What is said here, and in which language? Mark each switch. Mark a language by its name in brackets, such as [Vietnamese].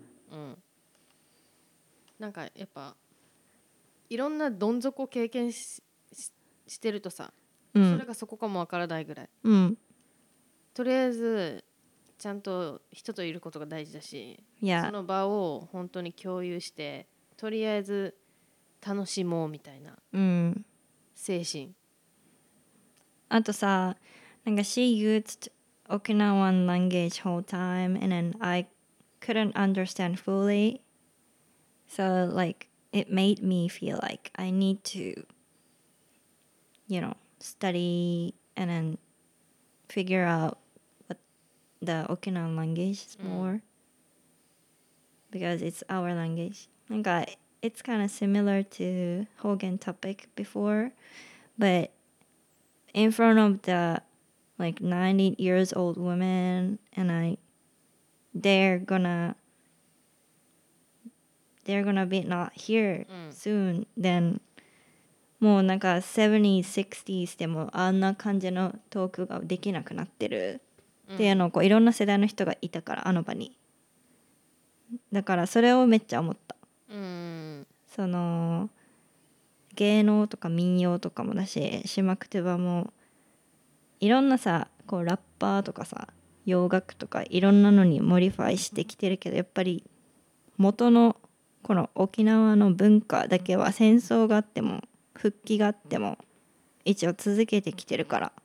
[Japanese] うんなんかやっぱいろんなどん底を経験してるとさ、うん、それがそこかもわからないぐらい、うん、とりあえずちゃんと人といることが大事だし、 [English] yeah. [Japanese] その場を本当に共有してとりあえず楽しもうみたいな精神、うん、あとさなんか [English] She used Okinawan language whole time and then I couldn't understand fullySo, like, it made me feel like I need to, you know, study and then figure out what the Okinawan language is more. Because it's our language. Like, it's kind of similar to Hogan topic before. But in front of the, like, 90 years old woman and I, they're gonna... They're gonna be not here soon. [Japanese] Then, もうなんか70、60でもあんな感じのトークができなくなってる、っていうのをこういろんな世代の人がいたからあの場に。だからそれをめっちゃ思った。その芸能とか民謡とかもだし、シマクテバもいろんなさこうラッパーとかさ洋楽とかいろんなのにモリファイしてきてるけど、やっぱり元のこの沖縄の文化だけは戦争があっても復帰があっても一応続けてきてるから、